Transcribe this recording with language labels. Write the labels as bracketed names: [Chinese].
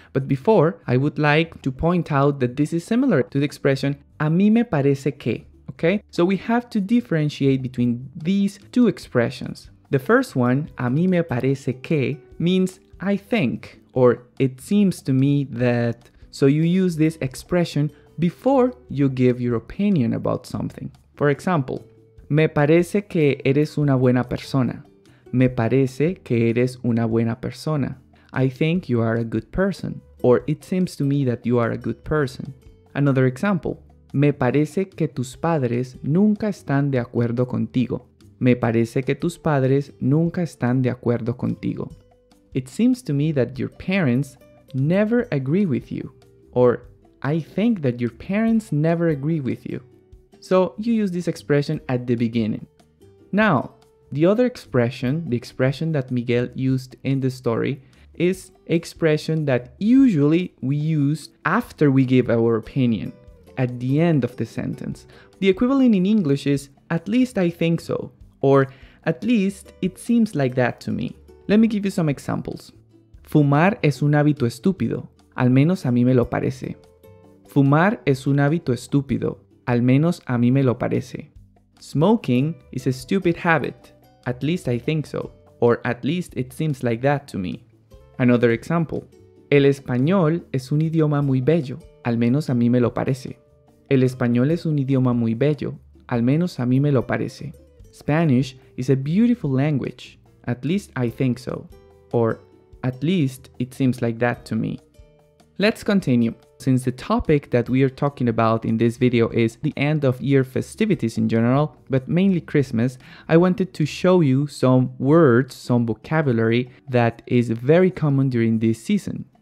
[English] But before, I would like to point out that this is similar to the expression [Spanish] a mí me parece que, [English] okay? So we have to differentiate between these two expressions. The first one, [Spanish] a mí me parece que, [English] means I think, or it seems to me that. So you use this expression before you give your opinion about something. For example, [Spanish] me parece que eres una buena persona. Me parece que eres una buena persona. [English] I think you are a good person. [Spanish] Or it seems to me that you are a good person. Another example. Me parece que tus padres nunca están de acuerdo contigo. Me parece que tus padres nunca están de acuerdo contigo. [English] It seems to me that your parents never agree with you. Or I think that your parents never agree with you. So you use this expression at the beginning. Now, the other expression, the expression that Miguel used in the story, is expression that usually we use after we give our opinion, at the end of the sentence. The equivalent in English is, at least I think so, or at least it seems like that to me. Let me give you some examples. [Spanish] Fumar es un hábito estúpido, al menos a mí me lo parece. Fumar es un hábito estúpido, al menos a mí me lo parece. [English] Smoking is a stupid habit, at least I think so, or at least it seems like that to me. Another example. [Spanish] El español es un idioma muy bello, al menos a mí me lo parece. El español es un idioma muy bello, al menos a mí me lo parece. [English] Spanish is a beautiful language, at least I think so, or at least it seems like that to me. Let's continue. Since the topic that we are talking about in this video is the end of year festivities in general, but mainly Christmas, I wanted to show you some words, some vocabulary that is very common during this season.